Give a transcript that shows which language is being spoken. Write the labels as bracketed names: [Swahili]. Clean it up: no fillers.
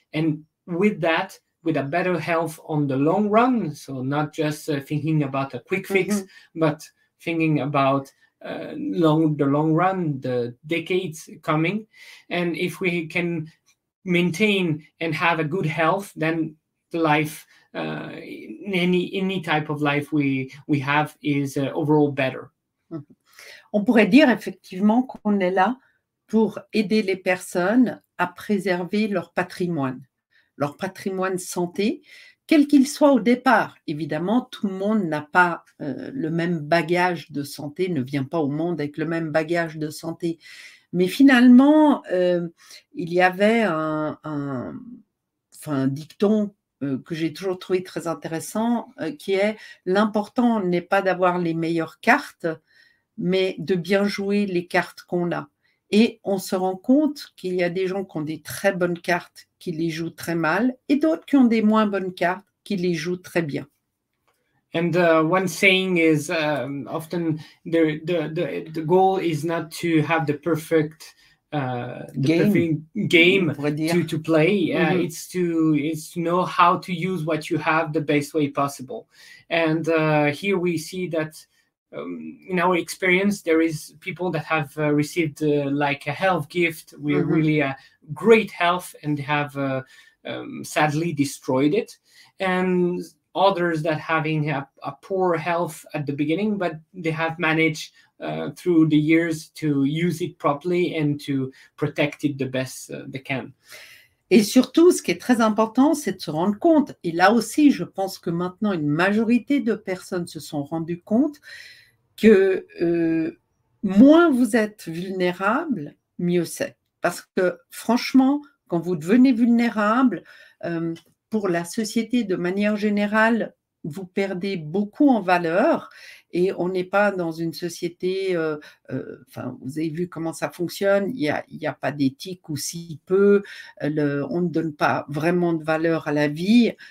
[English] And with that, with a better health on the long run, so not just thinking about a quick fix, but thinking about the long run, the decades coming. And if we can maintain and have a good health, then the life, any type of life we have is overall better. [French] On pourrait dire effectivement qu'on est là pour aider les personnes à préserver leur patrimoine santé, quel qu'il soit au départ. Évidemment, tout le monde n'a pas le même bagage de santé, ne vient pas au monde avec le même bagage de santé. Mais finalement, il y avait un dicton que j'ai toujours trouvé très intéressant, qui est: l'important n'est pas d'avoir les meilleures cartes, mais de bien jouer les cartes qu'on a. Et on se rend compte qu'il y a des gens qui ont des très bonnes cartes, qui les jouent très mal, et d'autres qui ont des moins bonnes cartes, qui les jouent très bien. [English] And one saying is often the goal is not to have the perfect game to play. It's to know how to use what you have the best way possible. And here we see that in our experience, there is people that have received like a health gift, really a great health, and have sadly destroyed it. And others that having a poor health at the beginning, but they have managed through the years to use it properly and to protect it the best they can. [French] Et surtout, ce qui est très important, c'est de se rendre compte, et là aussi, je pense que maintenant, une majorité de personnes se sont rendues compte que moins vous êtes vulnérable, mieux c'est. Parce que franchement, quand vous devenez vulnérable, pour la société de manière générale, vous perdez beaucoup en valeur et on n'est pas dans une société, enfin, vous avez vu comment ça fonctionne, il y a pas d'éthique ou si peu, on ne donne pas vraiment de valeur à la vie.